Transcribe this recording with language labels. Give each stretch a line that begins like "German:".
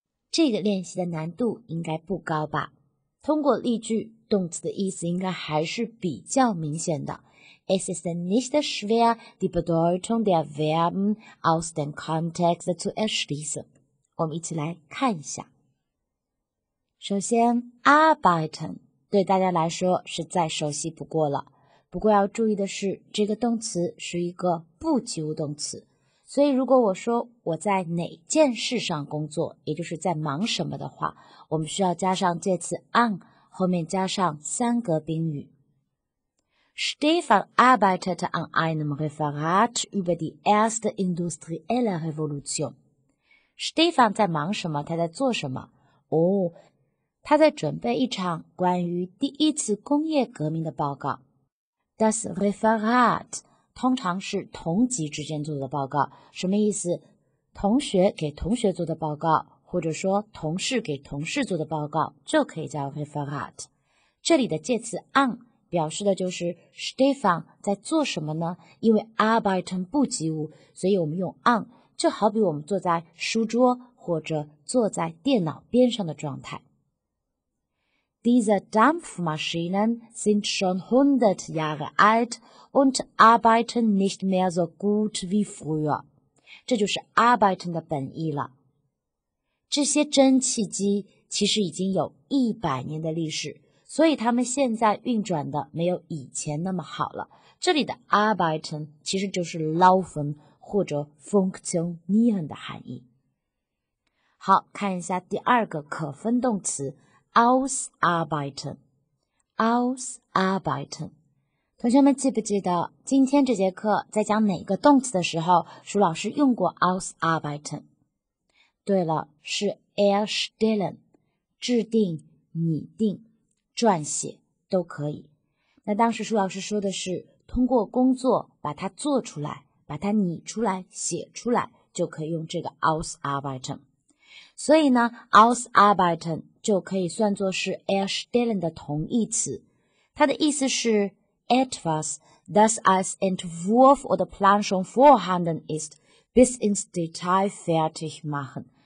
Chinese: 这个练习的难度应该不高吧？通过例句，动词的意思应该还是比较明显的。
German: Es ist nicht schwer, die Bedeutung der Verben aus dem Kontext zu erschließen.
Chinese: 我们一起来看一下。首先 ,arbeiten, 对大家来说是再熟悉不过了。不过要注意的是，这个动词是一个不及物动词。所以如果我说我在哪件事上工作，也就是在忙什么的话，我们需要加上介词 an, 后面加上三格宾语。
German: Stefan arbeitet an einem Referat über die erste industrielle Revolution.
Chinese: Stefan 在忙什么？他在做什么？哦，他在准备一场关于第一次工业革命的报告。
German: Das Referat
Chinese: 通常是同级之间做的报告，什么意思？同学给同学做的报告，或者说同事给同事做的报告，就可以叫 Referat。这里的介词 an 表示的就是 Stefan 在做什么呢？因为 Arbeiten 不及物，所以我们用 an， 就好比我们坐在书桌或者坐在电脑边上的状态。
German: Diese Dampfmaschinen sind schon 100 Jahre alt und arbeiten nicht mehr so gut wie früher.
Chinese: 这就是 arbeiten 的本意了。这些蒸汽机其实已经有100年的历史，所以他们现在运转的没有以前那么好了。这里的 arbeiten 其实就是 laufen 或者 funktionieren 的含义。好，看一下第二个可分动词Ausarbeiten, ausarbeiten. 同学们记不记得今天这节课在讲哪个动词的时候，舒老师用过 ausarbeiten? 对了，是 erstellen, 制定、拟定、撰写都可以。那当时舒老师说的是通过工作把它做出来，把它拟出来、写出来，就可以用这个 ausarbeiten。所以呢 ,ausarbeiten 就可以算作是 erstellen 的同义词。它的意思是
German: etwas, das als Entwurf oder Plan schon vorhanden ist, bis ins Detail fertig machen。